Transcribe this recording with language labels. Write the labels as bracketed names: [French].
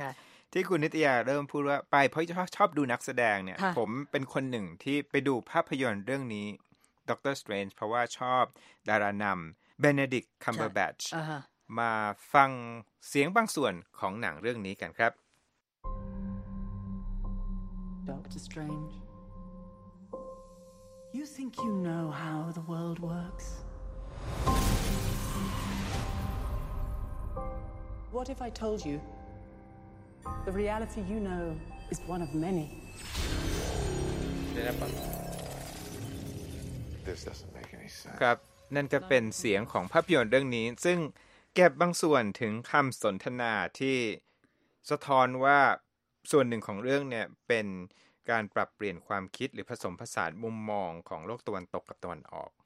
[Thai] คะที่คุณนิตยาเริ่มพูดว่าไปเพราะชอบดูนักแสดงเนี่ยผมเป็นคนหนึ่งที่ไปดูภาพยนตร์เรื่องนี้ Doctor Strange เพราะว่าชอบดารานำเบเนดิกต์คัมเบอร์แบทช์ มาฟังเสียงบางส่วนของหนังเรื่องนี้กันครับ [English] Doctor StrangeYou think you know how the world works? What if I told you the reality you know is one of many? This doesn't make any sense. [Thai] ครับนั่นก็เป็นเสียงของภาพยนตร์เรื่องนี้ซึ่งเก็บบางส่วนถึงคำสนทนาที่สะท้อนว่าส่วนหนึ่งของเรื่องเนี่ยเป็นการปรับเปลี่ยนความคิดหรือผสมผสานมุมมองของโลกตะวันตกกับตะวันออก